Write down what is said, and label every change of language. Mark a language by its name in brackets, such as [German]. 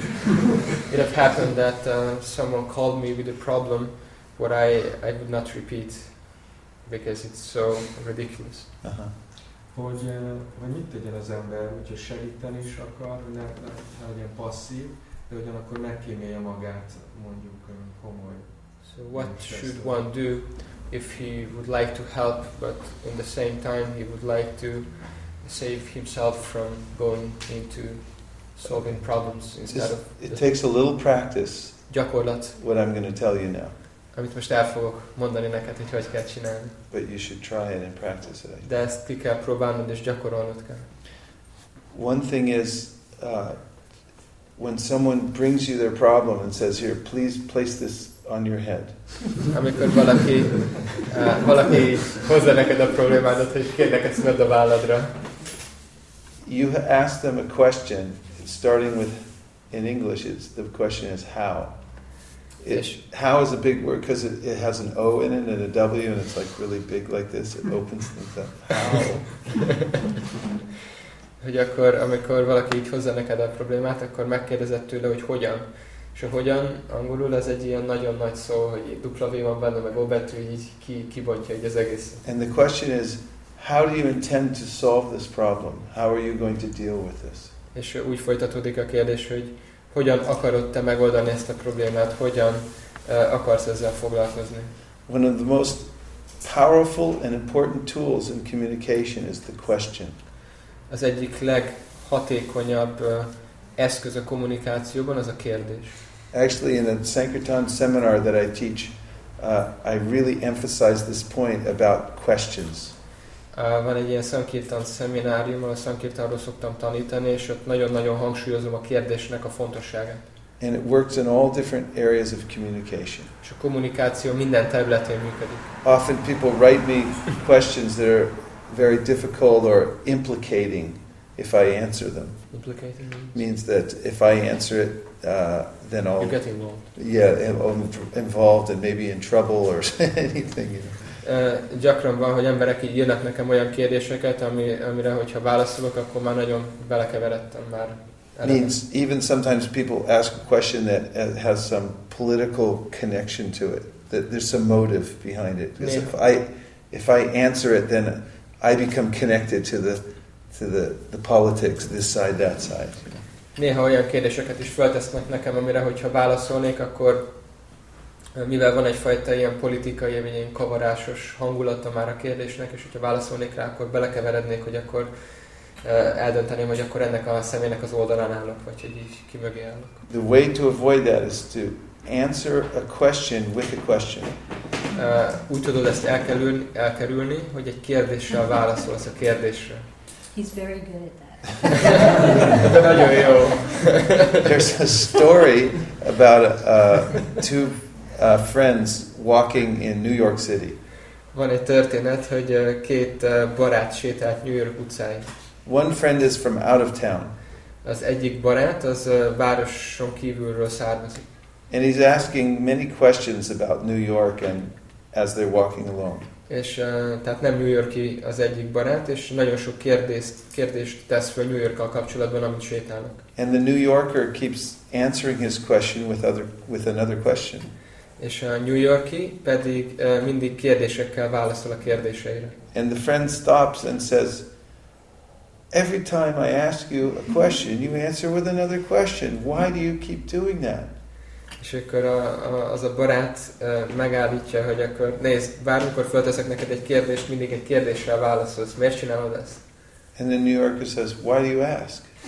[English] It happened that someone called me with a problem what I would not repeat because it's so ridiculous. [Hungarian] Hogy mit tegyen az ember, hogyha segíteni is akar, hogy ne legyen passzív, de ugyanakkor megkímélje magát, mondjuk komoly. [English] So what should one do if he would like to help, but in the same time he would like to save himself from going into solving problems instead of... It takes a little practice. [Hungarian] Gyakorlat. [English] What I'm going to tell you now. [Hungarian] Amit most el fogok mondani neked, hogy hogy kell csinálni. [English] But you should try it and practice it. [Hungarian] De ezt ki kell próbálnod és gyakorolnod kell. [English] One thing is, when someone brings you their problem and says, here, please place this on your head. [Hungarian] Amikor valaki hozza neked a problémádat, hogy kérlek ezt vedd a válladra. [English] You ask them a question, starting with, in English, it's, the question is how. How is a big word, because it has an O in it and a W, and it's like really big like this, it opens things up. How? [Hungarian] Hogy akkor, amikor valaki így hozza neked a problémát, akkor megkérdezett tőle, hogy hogyan. És hogyan, angolul ez egy ilyen nagyon nagy szó, hogy dupla V van benne, meg O betű, így kibontja így az egészet. [English] And the question is, how do you intend to solve this problem? How are you going to deal with this? [Hungarian] És úgy folytatódik a kérdés, hogy hogyan akarod te megoldani ezt a problémát, hogyan akarsz ezzel foglalkozni. [English] One of the most powerful and important tools in communication is the question. [Hungarian] Az egyik leghatékonyabb eszköz a kommunikációban az a kérdés. [English] Actually, in a Sankirtan seminar that I teach, I really emphasize this point about questions. [Hungarian] Van egy ilyen Sankirtan szeminárium, ahol Sankirtanról szoktam tanítani, és ott nagyon-nagyon hangsúlyozom a kérdésnek a fontosságát. [English] And it works in all different areas of communication. [Hungarian] És a kommunikáció minden területén működik. [English] Often people write me questions that are very difficult or implicating if I answer them. Implicating means that if I answer it, then I'll... You get involved. Yeah, involved and maybe in trouble or anything, you know. [Hungarian] Gyakran van, hogy emberek így írnak nekem olyan kérdéseket, amire hogyha válaszolok, akkor már nagyon belekeveredtem már. [English] Means even sometimes people ask a question that has some political connection to it, that there's some motive behind it. Because if I answer it, then I become connected to the politics, this side, that side. [Hungarian] Néha olyan kérdéseket is feltesznek nekem, amire hogyha válaszolnék, akkor mivel van egyfajta ilyen politikai, ilyen kavarásos hangulata már a kérdésnek, és hogyha válaszolnék rá, akkor belekeverednék, hogy akkor eldönteném, hogy akkor ennek a személynek az oldalán állok, vagy hogy így ki mögé állok. [English] The way to avoid that is to answer a question with a question. [Hungarian] Úgy tudod ezt elkerülni, hogy egy kérdéssel válaszolsz a kérdésre. [English] He's very good at that. [Hungarian] Nagyon jó. [English] There's a story about two friends walking in New York City. [Hungarian] Van egy történet, hogy két barát sétált New York utcáin. [English] One friend is from out of town. [Hungarian] Az egyik barát az városon kívülről származik. [English] And he's asking many questions about New York and as they're walking along. [Hungarian] És tehát nem New York-i az egyik barát, és nagyon sok kérdést tesz fel New York-kal kapcsolatban, amit sétálnak. [English] And the New Yorker keeps answering his question with another question. [Hungarian] És a New York-i pedig mindig kérdésekkel válaszol a kérdéseire. [English] And the friend stops and says, every time I ask you a question, you answer with another question. Why do you keep doing that? [Hungarian] És akkor az a barát megállítja, hogy akkor nézd, bármikor fölteszek neked egy kérdést, mindig egy kérdéssel válaszolsz. Miért csinálod ezt? [English] And the New Yorker says, why do you ask?